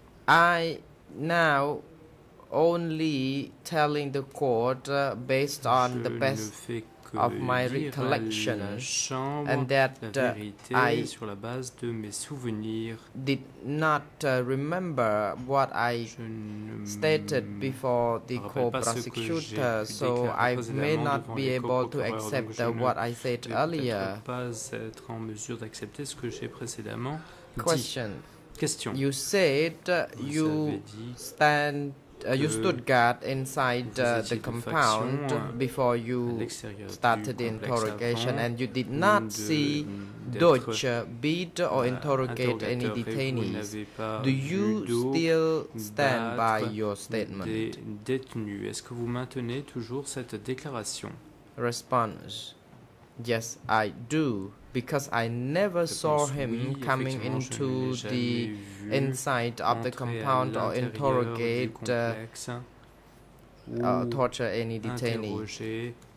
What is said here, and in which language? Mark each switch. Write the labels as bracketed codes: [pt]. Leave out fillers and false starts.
[en] I now only telling the court based on the best of my recollection and that I [fr] sur la base de mes souvenirs [en] did not remember what I stated before the co-prosecutor, so I may not be able to accept what I said earlier. [fr] Pas être en mesure d'accepter ce que j'ai précédemment question. Dit. Question. [en] You said you stand you stood guard inside the compound before you started the interrogation and you did not see Deutsch beat or interrogate any detainees. Do you still stand by your statement? [fr] Détenus. Est-ce que vous maintenez toujours cette déclaration? [en] Response. Yes, I do. Because I never saw him coming into the inside of the compound or interrogate or torture any detainee.